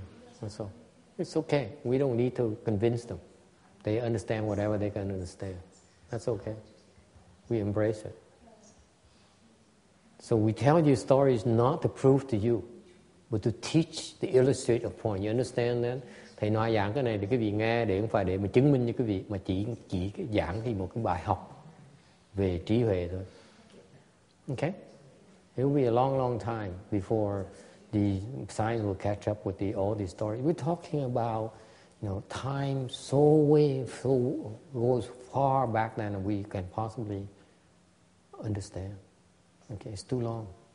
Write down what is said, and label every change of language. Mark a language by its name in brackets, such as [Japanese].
[English] Mm. That's all. It's okay. We don't need to convince them. They understand whatever they can understand. That's okay. We embrace it. So we tell you stories not to prove to you, but to teach, to illustrate a point. You understand that? [Vietnamese] Thầy nói giảng cái này để quý vị nghe, để không phải để mà chứng minh cho quý vị, mà chỉ giảng thì một cái bài học về trí huệ thôi. [English] Okay? It will be a long, long time before the science will catch up with all these stories. We're talking about, you know, time so way, so goes far back then than we can possibly understand. Okay, it's too long.